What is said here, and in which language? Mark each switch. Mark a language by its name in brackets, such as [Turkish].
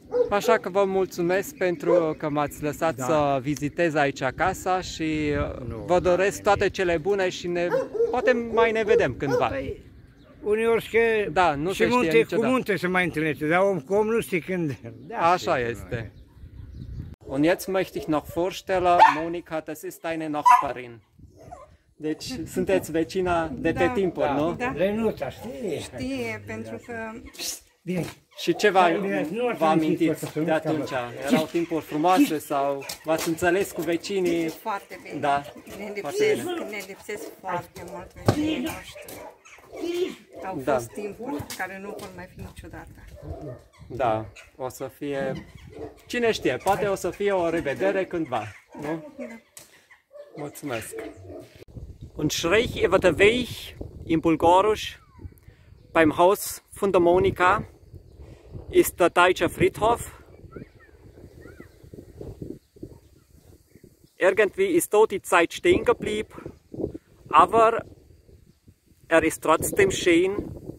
[Romanian] Așa că vă mulțumesc pentru că m-ați lăsat da. Să vizitez aici casa și nu, vă doresc da, toate cele bune și ne... poate mai ne vedem cândva. Păi, uneori și că da, nu și munte niciodată. Cu munte se mai întâlnește, dar om cu om nu știi când... Da, așa este. Noi. [German] Und jetzt möchte ich noch vorstellen, Monika, das ist deine Nachbarin. [Romanian] Deci sunteți vecina de pe da, timpuri, da. Nu? Da. Renuța, știe. Știe, pentru că... Și ce v-a amintit de atunci? Erau timpuri frumoase sau v-ați înțeles cu vecinii? Foarte bine. Da, foarte bine. Ne lipsesc foarte mult vecinii noștri. Au fost da. Timpuri care nu vor mai fi niciodată. Da, o să fie... Cine știe, poate o să fie o revedere cândva, nu? Da. Mulțumesc! [German] Und schräg über der Weg in Bulgarisch beim Haus von der Monika ist der Deutsche Friedhof. Irgendwie ist dort die Zeit stehen geblieben, aber ist trotzdem schön.